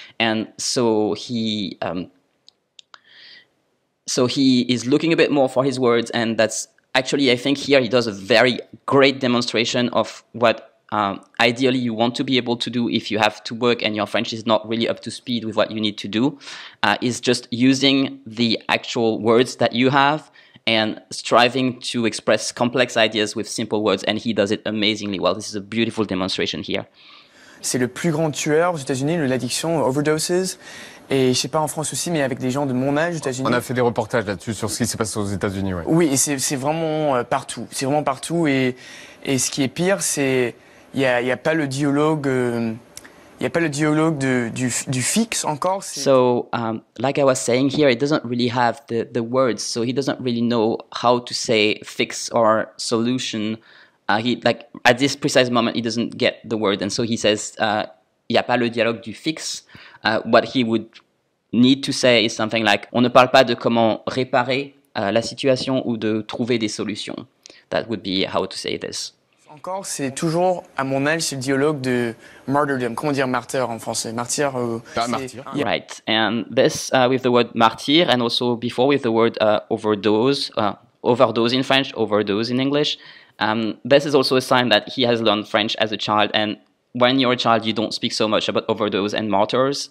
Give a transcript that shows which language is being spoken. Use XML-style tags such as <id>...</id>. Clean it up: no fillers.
<en>And so he is looking a bit more for his words, and that's actually, I think here he does a very great demonstration of what ideally you want to be able to do if you have to work and your French is not really up to speed with what you need to do, is just using the actual words that you have and striving to express complex ideas with simple words, and he does it amazingly well. This is a beautiful demonstration here.</en> <fr>C'est le plus grand tueur aux États-Unis, l'addiction, overdoses. Et je sais pas, en France aussi, mais avec des gens de mon âge aux États-Unis. On a fait des reportages là-dessus sur ce qui s'est passé aux États-Unis, ouais. Oui, et c'est vraiment partout. C'est vraiment partout. Et ce qui est pire, c'est il y a pas le dialogue. Il y a pas le dialogue du fixe encore.</fr> <en>So, like I was saying here, it doesn't really have the words. So he doesn't really know how to say fix or solution. He at this precise moment, he doesn't get the word, and so he says,</en> <fr>"Il y a pas le dialogue du fixe."</fr> <en>What he would need to say is something like,</en> <fr>"On ne parle pas de comment réparer la situation ou de trouver des solutions."</fr> <en>That would be how to say this.</en> <fr>Encore, c'est toujours à mon âge, c'est le dialogue de martyrdom. Comment dire martyr en français? Martyr. Martyr.</fr> <en>Right, and this with the word martyr, and also before with the word overdose. Overdose in French, overdose in English. This is also a sign that he has learned French as a child. And when you're a child, you don't speak so much about overdose and martyrs.</en>